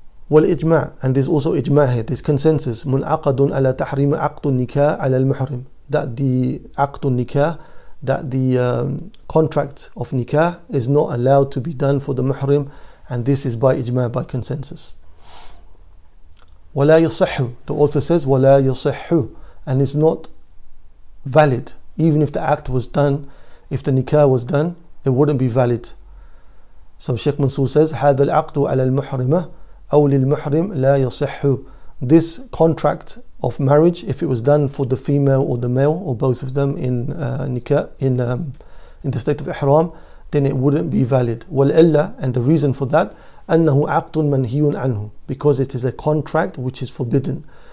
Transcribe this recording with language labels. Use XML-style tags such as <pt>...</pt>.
<ar>والإجماع,</ar> <en>and there's also إجماع here, this consensus,</en> <ar>منعقد على تحريم عقد النكاح على المحرم,</ar> <en>that the</en> <ar>عقد النكاح,</ar> <en>that the contract of nikah is not allowed to be done for the muhrim, and this is by ijma, by consensus.</en> <ar>وَلَا يُصِحُّ,</ar> <en>the author says,</en> <ar>وَلَا يُصِحُّ, and it's not valid.</ar> <en>Even if the act was done, if the nikah was done, it wouldn't be valid. So Sheikh Mansour says,</en> <ar>هَذَا الْعَقْدُ عَلَى الْمُحْرِمَةِ أَوْ لِلْمُحْرِمِ لَا يُصِحُّ.</ar> <en>This contract of marriage, if it was done for the female or the male or both of them in nikah, in the state of ihram, then it wouldn't be valid.</en> <ar>وَالْعِلَّةِ,</ar> <en>and the reason for that,</en> <ar>أَنَّهُ عَقْدٌ مَنْهِيٌ عَنْهُ,</ar> <en>because it is a contract which is forbidden.</en>